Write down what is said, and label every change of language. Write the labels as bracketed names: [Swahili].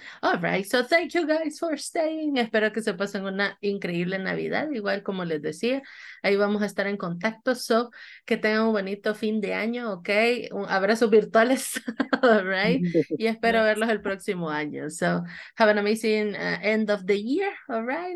[English] All right, so thank you guys for staying. [Spanish] Espero que se pasen una increíble Navidad. Igual, como les decía, ahí vamos a estar en contacto. So, que tengan un bonito fin de año, ¿ok? Abrazos virtuales, [English] all right? [Spanish] Y espero verlos el próximo año. [English] So, have an amazing end of the year, all right?